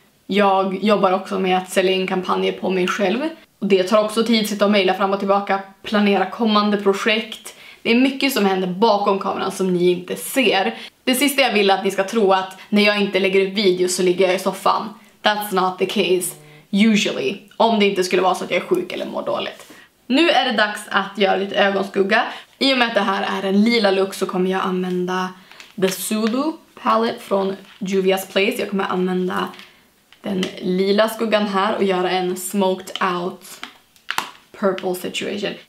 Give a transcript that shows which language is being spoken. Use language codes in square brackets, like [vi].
[sv] Jag jobbar också med att sälja in kampanjer på mig själv. Och det tar också tid att sitta och mejla fram och tillbaka, planera kommande projekt. Det är mycket som händer bakom kameran som ni inte ser. Det sista jag vill att ni ska tro att när jag inte lägger upp videos så ligger jag i soffan. [en] That's not the case, usually. [sv] Om det inte skulle vara så att jag är sjuk eller mår dåligt. Nu är det dags att göra lite ögonskugga. I och med att det här är en lila look så kommer jag använda The Zulu Palette från Juvia's Place. Jag kommer använda den lila skuggan här och göra en [en] smoked out purple situation.